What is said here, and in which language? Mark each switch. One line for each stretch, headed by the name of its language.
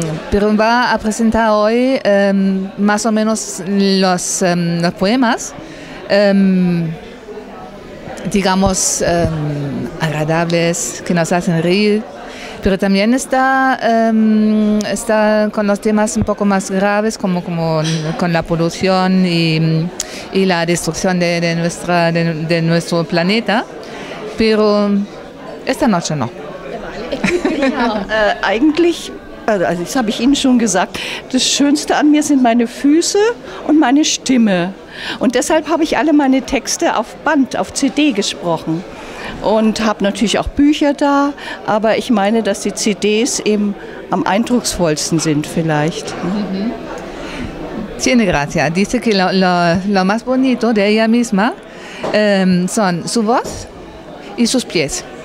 Spanish: Pero va a presentar hoy más o menos los poemas, digamos, agradables, que nos hacen reír, pero también está con los temas un poco más graves, como con la polución y la destrucción de nuestro planeta, pero esta noche no.
German: Ja. Eigentlich, also das habe ich Ihnen schon gesagt, das Schönste an mir sind meine Füße und meine Stimme. Und deshalb habe ich alle meine Texte auf Band, auf CD gesprochen. Und habe natürlich auch Bücher da, aber ich meine, dass die CDs eben am eindrucksvollsten sind vielleicht.
Spanish: Tiene gracia. Dice que lo más bonito de ella misma son su voz y sus pies.